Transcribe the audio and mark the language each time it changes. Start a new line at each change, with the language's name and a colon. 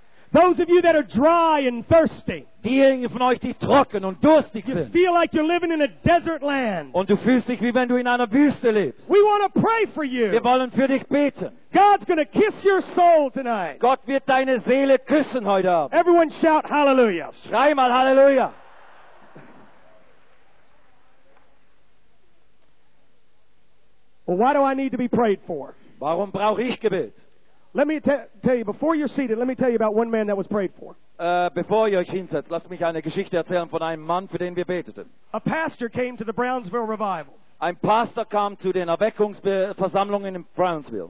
English: Those of you that are dry and thirsty.
German: Diejenigen von euch, die trocken und durstig sind.
English: You feel like you're living in a desert land.
German: Und du fühlst dich, wie wenn du in einer Wüste lebst.
English: We want to pray for you.
German: Wir wollen für dich beten.
English: God's going to kiss your soul tonight.
German: Gott wird deine Seele küssen heute Abend.
English: Everyone shout hallelujah.
German: Schrei mal hallelujah.
English: Well, why do I need to be prayed for?
German: Warum brauche ich Gebet?
English: Let me tell you, before you're seated, let me tell you about one man that was prayed for.
German: Bevor ihr euch hinsetzt, lasst mich eine Geschichte erzählen von einem Mann, für den wir beteten.
English: A pastor came to the Brownsville Revival.
German: Ein Pastor kam zu den Erweckungsversammlungen in Brownsville.